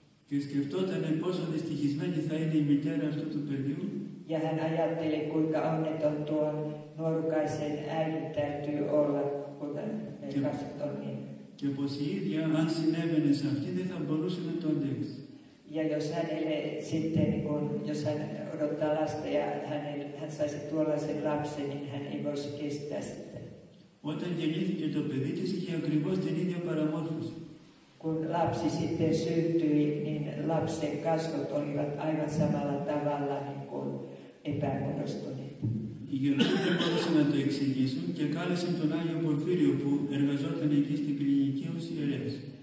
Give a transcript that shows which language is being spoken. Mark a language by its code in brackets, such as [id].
[el] Και σκεφτότανε πόσο δυστυχισμένη θα είναι η μητέρα αυτού του παιδιού. [fi] Ja hän ajatteli, kuinka onneton tuo nuorukaisen äidin täytyy olla, kun ne kasvot on niin. [el] Και πως η ίδια, αν συνέβαινε σε αυτή, δεν θα μπορούσε να το αντέξει. [fi] Ja jos hänelle sitten, kun, jos hän odottaa lasta ja hän saisi tuollaisen lapsen, niin hän ei voisi kestää sitä. [el] Όταν γεννήθηκε το παιδί της, είχε ακριβώς την ίδια παραμόρφωση. [fi] Kun lapsi sitten syntyi, niin lapsen kasvot olivat aivan samalla tavalla kuin epämuodostuneet. [el] Οι γιατροί δεν μπορούσαν να το εξηγήσουν και κάλεσαν τον Άγιο Πορφύριο που εργαζόταν εκεί στην κλινική ως ιερέας.